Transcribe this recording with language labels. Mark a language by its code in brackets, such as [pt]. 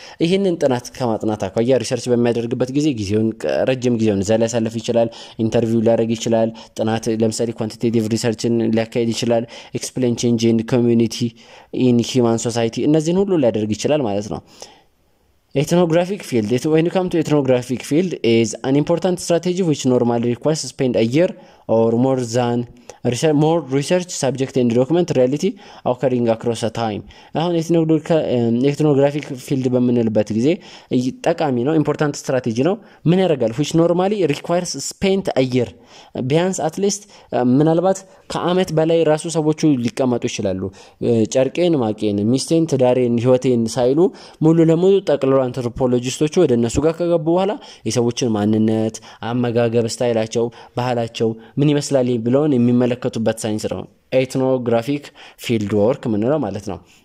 [am] ይሄንን ጥናት ከማጥናት አኳያ research በሚያደርግበት ጊዜውን ረጅም ጊዜውን ዘላ ያሳልፍ ይችላል interview ሊያደርግ ይችላል ጥናት ለምሳሌ quantitative researchን ሊያካሂድ ይችላል [en] explain change in community in human society [am] እነዚህን ሁሉ ሊያደርግ ይችላል ማለት ነው Ethnographic field. [en] When you come to ethnographic field is an important strategy which normally requires to spend a year or more than research subject and document reality occurring across a time. [am] አሁን ethnographic field በምንልበት ጊዜ ጠቃሚ ነው [en] important strategy [am] ነው ምን ያረጋል [en] which normally requires spent a year [am] ቢያንስ [en] at least [am] ምናልባት ከአመት በላይ ራሱ ሰዎች ሊቀመጡ ይችላሉ ጨርቄን ማቄን ሚስቴን ትዳሬን ህይወቴን ሳይሉ ሙሉ ለሙሉ ጠቅለው አንትሮፖሎጂስቶቹ ወደ እነሱ ጋር ከገቡ በኋላ የሰዎችን ማንነት አመጋገብ ስታይላቸው ባህላቸው ምን ይመስላል ብለውን የሚመለከቱበት ሳይንስ ነው ethnographic field work ምንለው ማለት ነው